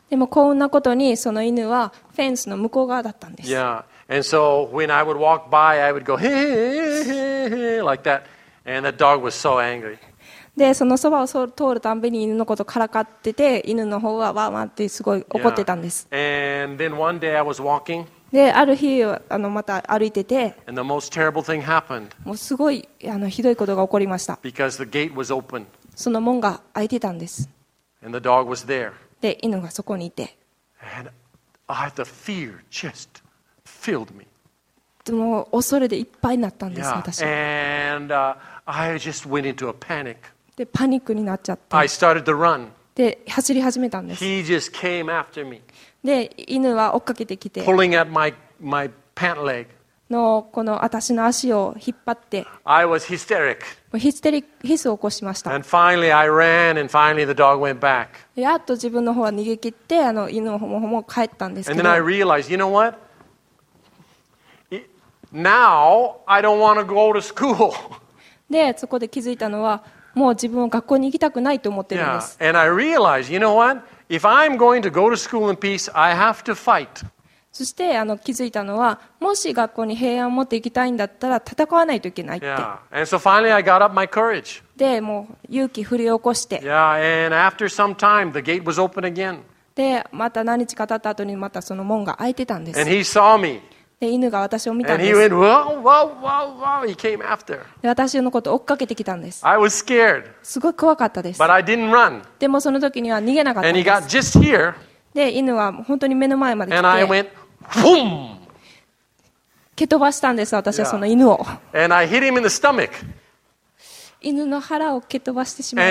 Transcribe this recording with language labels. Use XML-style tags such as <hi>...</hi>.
<ja>でも幸運なことにその犬はフェンスの向こう側だったんです。</ja> <en>Yeah. And so when I would walk by, I would go, hey, hey, hey, hey, hey, like that. And the dog was so angry.</en> <ja>でそのそばを通るたんびに犬のことからかってて犬の方はワンワンってすごい怒ってたんです、</ja> <en>yeah. And then one day I was walking.</en> <ja>である日また歩いてて</ja> <en>And the most terrible thing happened.</en> <ja>もうすごいひどいことが起こりました。</ja> <en>Because the gate was open.</en> <ja>その門が開いてたんです。</ja> <en>And the dog was there.</en> <ja>で犬がそこにいて</ja> <en>And the fear just filled me.</en> <ja>もう恐れでいっぱいになったんです、</ja> <en>yeah.</en> <ja>私は。</ja> <en>And, I just went into a panic.</en> <ja>で、パニックになっちゃって。</ja> <en>I started to run.</en> <ja>で、走り始めたんです。</ja> <en>He just came after me.</en> <ja>で、犬は追っかけてきて。</ja> <en>Pulling at my pant leg.</en> <ja>のこの私の足を引っ張って。</ja> <en>I was hysteric.</en> <ja>もうヒスを起こしました。</ja> <en>And finally I ran and finally the dog went back.</en> <ja>やっと自分の方は逃げ切って、あの犬ももも帰ったんですけど。</ja> <en>And then I realized, you know what? Now I don't want to go to school.</en> <ja>で、そこで気づいたのは、もう自分を学校に行きたくないと思ってるんです。</ja> <en>Yeah. And I realized, you know what? If I'm going to go to school in peace, I have to fight.</en> <ja>そして、あの、気づいたのは、もし学校に平安を持って行きたいんだったら戦わないといけないって。</ja> <en>Yeah. And so finally I got up my courage.</en> <ja>で、もう勇気振り起こして。</ja> <en>Yeah. And after some time, the gate was open again.</en> <ja>で、また何日か経った後にまたその門が開いてたんです。</ja> <en>And he saw me.</en> <ja>で犬が私を見たんです。</ja> <en>And he went, whoa, whoa, whoa, whoa. He came after.</en> <ja>で私のこと追っかけてきたんです。</ja> <en>I was scared.</en> <ja>すごい怖かったです。</ja> <en>But I didn't run.</en> <ja>でもその時には逃げなかったんです。</ja> <en>And he got just here.</en> <ja>で犬は本当に目の前まで来て。</ja> <en>And I went, boom.</en> <ja>蹴飛ばしたんです。私はその犬を。</ja> <en>Yeah. And I hit him in the stomach.</en> <ja>犬の腹を蹴飛ばしてしまい</ja>